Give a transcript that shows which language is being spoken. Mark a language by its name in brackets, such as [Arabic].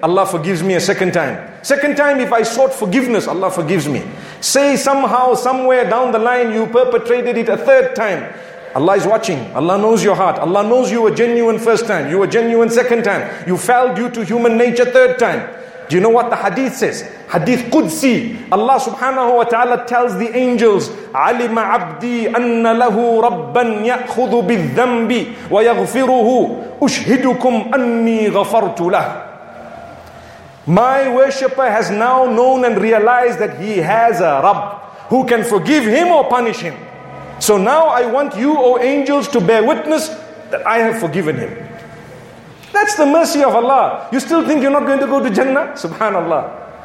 [English] Allah forgives me a second time. Second time, if I sought forgiveness, Allah forgives me. Say somehow, somewhere down the line, you perpetrated it a third time. Allah is watching. Allah knows your heart. Allah knows you were genuine first time. You were genuine second time. You fell due to human nature third time. Do you know what the hadith says? Hadith Qudsi. Allah subhanahu wa ta'ala tells the angels, [Arabic] عَلِمَ عَبْدِي أَنَّ لَهُ رَبًّا يَأْخُذُ بِالذَّنْبِ وَيَغْفِرُهُ أُشْهِدُكُمْ أَنِّي غَفَرْتُ لَهُ. [English] My worshipper has now known and realized that he has a Rabb who can forgive him or punish him. So now I want you, O angels, to bear witness that I have forgiven him. That's the mercy of Allah. You still think you're not going to go to Jannah? Subhanallah.